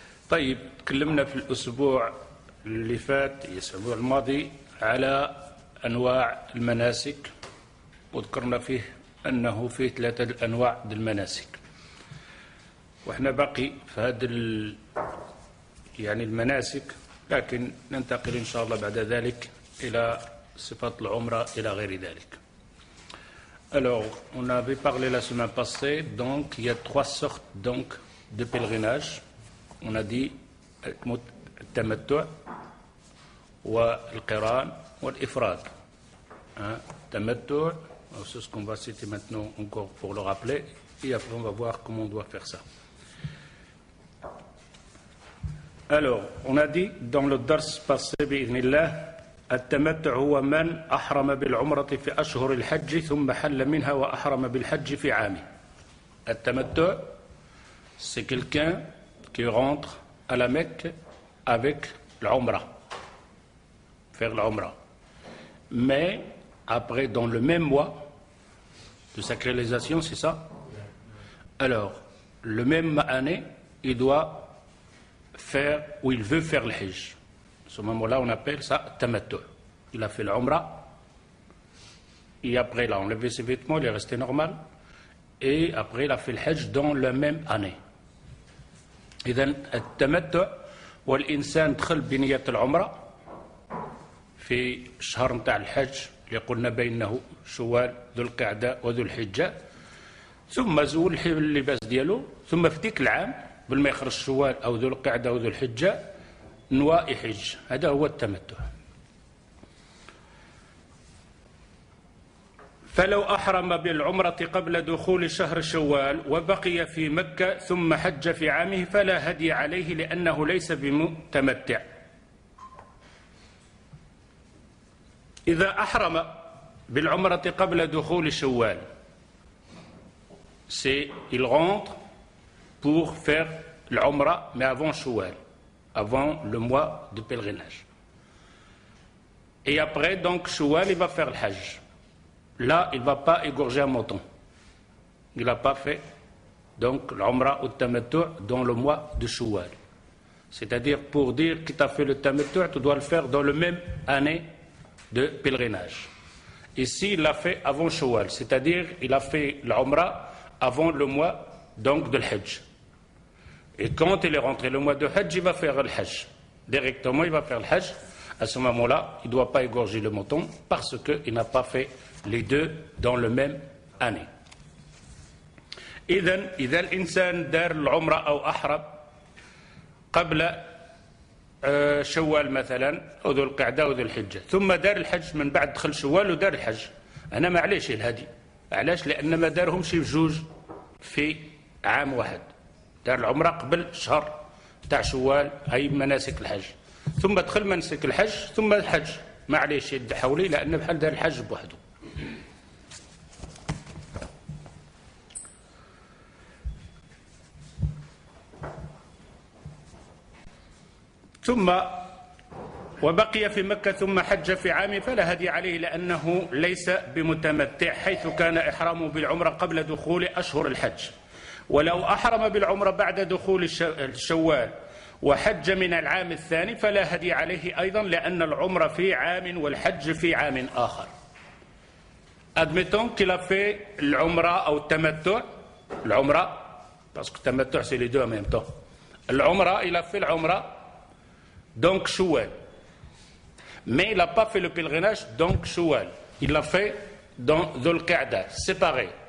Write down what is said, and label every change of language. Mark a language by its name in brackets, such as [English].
[Arabic] طيب، تكلمنا في الأسبوع اللي فات الأسبوع الماضي على أنواع المناسك، وذكرنا فيه أنه فيه ثلاثة أنواع من المناسك، وإحنا بقي في هذا يعني المناسك، لكن ننتقل إن شاء الله بعد ذلك إلى صفة العمرة إلى غير ذلك. [French] Alors, on avait parlé la semaine passée, donc il y a trois sortes donc de pèlerinage. On a dit التمتع والقران والإفراد. التمتع c'est ce qu'on va citer maintenant encore pour le rappeler, et après on va voir comment on doit faire ça. Alors, on a dit dans le [Arabic] درس passé بإذن الله التمتع هو من أحرم بالعمرة في أشهر الحج ثم حل منها وأحرم بالحج في عامه. [French] التمتع c'est quelqu'un qui rentre à la Mecque avec l'umra, faire l'umra. Mais après, dans le même mois de sacralisation, c'est ça? Alors, le même année, il doit faire ou il veut faire le hijj. Ce moment-là, on appelle ça tamattu. Il a fait l'umra et après, il a enlevé ses vêtements, il est resté normal. Et après, il a fait le hijj dans la même année. Et donc, tamattu. [Arabic] والإنسان دخل بنية العمرة في شهر نتاع الحج اللي قلنا بينه شوال ذو القعدة وذو الحجة، ثم زول اللباس ديالو، ثم في ديك العام قبل ما يخرج شوال أو ذو القعدة أو ذو الحجة نوى يحج. هذا هو التمتع. فلو أحرم بالعمرة قبل دخول شهر شوال وبقي في مكة ثم حج في عامه فلا هدي عليه لأنه ليس بمتمتع. إذا أحرم بالعمرة قبل دخول شوال [French] c'est il rentre pour faire l'umra mais avant شوال, avant le mois de pèlerinage, et après donc شوال il va faire le hajj. Là, il ne va pas égorger un mouton. Il n'a pas fait donc l'umra ou le tamattu' dans le mois de Shawwal. C'est-à-dire, pour dire qu'il a fait le tamattu', tu dois le faire dans la même année de pèlerinage. Ici, il l'a fait avant Shawwal. C'est-à-dire, il a fait l'umra avant le mois donc de l'Hajj. Et quand il est rentré le mois de Hajj, il va faire l'Hajj. Directement, il va faire l'Hajj. À ce moment-là, il ne doit pas égorger le mouton parce qu'il n'a pas fait les deux dans la même année. [Arabic] إذن إذا الإنسان دار العمرة أو أحرم قبل شوال مثلا أو ذو القعدة أو ذو الحجة ثم دار الحج من بعد دخل شوال ودار الحج، أنا ما عليش الهدي. علاش؟ لأن ما دارهم شي بجوج في عام واحد، دار العمرة قبل شهر تاع شوال أي مناسك الحج ثم دخل مناسك الحج ثم الحج، ما عليش يد حولي لأن بحال دار الحج بوحده. ثم وبقي في مكة ثم حج في عام فلا هدي عليه لأنه ليس بمتمتع حيث كان إحرامه بالعمرة قبل دخول أشهر الحج. ولو أحرم بالعمرة بعد دخول الشوال وحج من العام الثاني فلا هدي عليه أيضا لأن العمرة في عام والحج في عام آخر. [French] Admettons qu'il a fait l'umra ou le tamattu, l'umra, parce que le tamattu c'est les deux en même temps. L'umra, il a fait l'umra, donc Shawwal. Mais il n'a pas fait le pèlerinage, donc Shawwal. Il l'a fait dans Dhul Qa'da, séparé.